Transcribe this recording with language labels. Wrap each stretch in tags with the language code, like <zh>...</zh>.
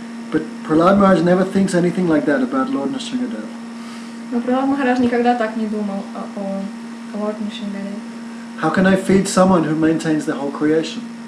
<en>But Prahlad Maharaj never thinks anything like that about Lord Nrisingadev.</en> <ru>Но Прохлад Махарадж никогда так не думал о Лорд Нрисингадеве.</ru> <en>How can I feed someone who maintains the whole creation?</en>